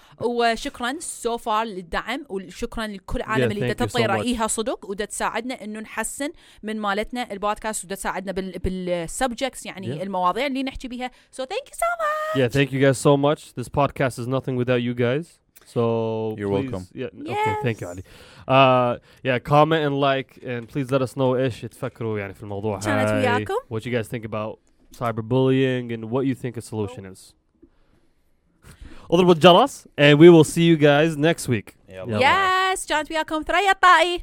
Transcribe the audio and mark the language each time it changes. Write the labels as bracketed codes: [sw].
[ar] وشكرا so far للدعم وشكرا لكل عالم اللي تطلع رأيها صدق وده تساعدنا إنه نحسن من مالتنا البودكاست وده تساعدنا بالسبجكتس يعني المواضيع اللي نحكي بها. [en] So thank you so much. Yeah, thank you guys so much. This podcast is nothing without you guys. So you're please, welcome. Yeah, okay, yes. Thank you, Ali. Comment and like and please let us know إيش تفكروا يعني في الموضوع. What you guys think about cyberbullying and what you think a solution is. اضرب الجرس and we will see you guys next week. [ar] Yes, جانت وياكم ثريا الطائي.